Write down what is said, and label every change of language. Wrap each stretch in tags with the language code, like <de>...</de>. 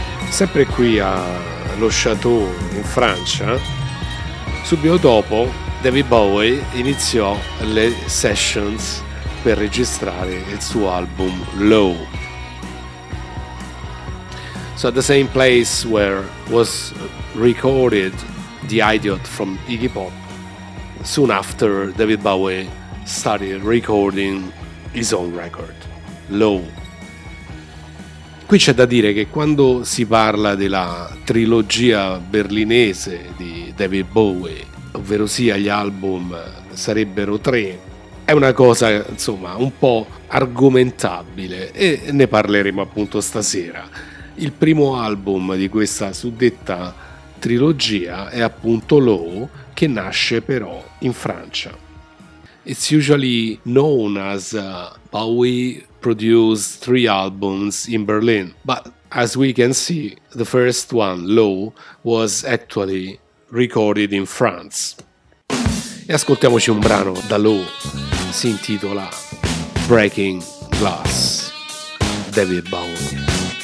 <it>Sempre qui a Le Chateau in Francia, subito dopo David Bowie iniziò le sessions per registrare il suo album Low.</it> <en>So at the same place where was recorded The Idiot from Iggy Pop, soon after David Bowie started recording his own record, Low.</en> <it>Qui c'è da dire che quando si parla della trilogia berlinese di David Bowie, ovvero sia gli album sarebbero tre, è una cosa insomma un po' argomentabile e ne parleremo appunto stasera. Il primo album di questa suddetta trilogia è appunto Low, che nasce però in Francia.</it> <en>It's usually known as Bowie produced three albums in Berlin, but as we can see, the first one, Low, was actually recorded in France.</en> <it>E ascoltiamoci un brano da Low, si intitola Breaking Glass, David Bowie.</it>